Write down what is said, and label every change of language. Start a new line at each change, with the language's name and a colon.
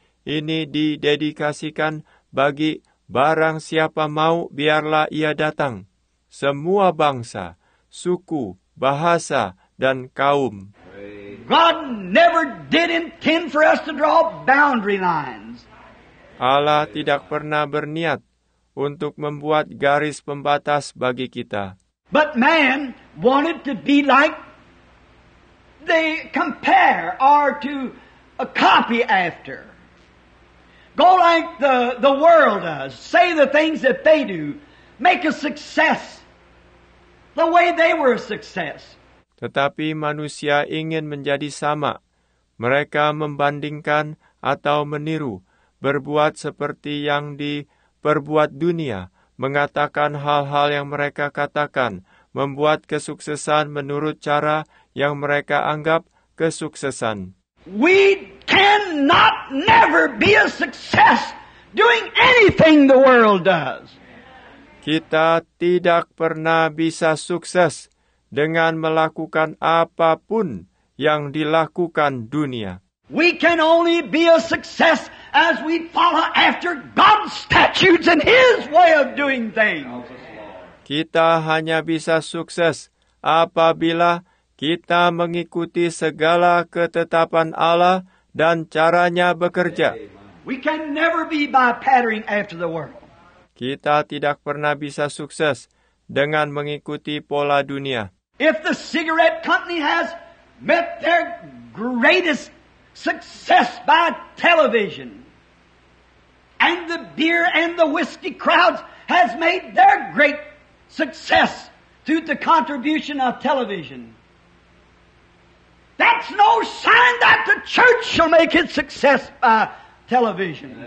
Indonesian: Ini didedikasikan bagi barang siapa mau biarlah ia datang. Semua bangsa, suku, bahasa, dan kaum.
English: God never did intend for us to draw boundary lines.
Indonesian: Allah tidak pernah berniat untuk membuat garis pembatas bagi kita.
English: But man wanted to be like they compare or to a copy after. Go like the world does. Say the things that they do. Make a success the way they were a success.
Indonesian: Tetapi manusia ingin menjadi sama. Mereka membandingkan atau meniru, berbuat seperti yang diperbuat dunia, mengatakan hal-hal yang mereka katakan, membuat kesuksesan menurut cara yang mereka anggap kesuksesan.
English: We cannot never be a success doing anything the world does.
Indonesian: Kita tidak pernah bisa sukses dengan melakukan apapun yang dilakukan dunia.
English: We can only be a success as we follow after God's statutes and His way of doing things.
Indonesian: Kita hanya bisa sukses apabila kita mengikuti segala ketetapan Allah dan caranya bekerja.
English: We can never be by pattering after the world.
Indonesian: Kita tidak pernah bisa sukses dengan mengikuti pola dunia.
English: If the cigarette company has met their greatest success by television, and the beer and the whiskey crowds has made their great success through the contribution of television, that's no sign that the church shall make its success by television.